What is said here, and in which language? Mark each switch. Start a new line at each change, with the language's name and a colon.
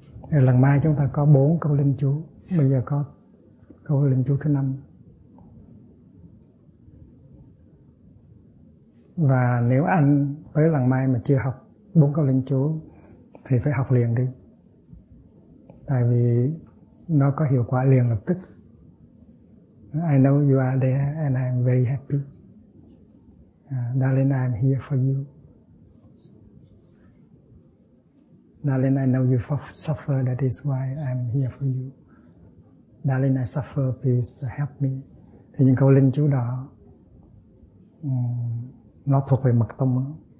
Vietnamese: Lần mai chúng ta có 4 câu linh chú, bây giờ có câu linh chú thứ 5. Và nếu anh tới lần mai mà chưa học 4 câu linh chú thì phải học liền đi. Tại vì nó có hiệu quả liền lập tức.
English: I know you are there and I am very happy. Darling, I am here for you. Darling, I know you suffer, that is why I am here for you. Darling, I suffer, please help me.
Vietnamese: Thì những câu linh chú đó nó thuộc về mật tông đó.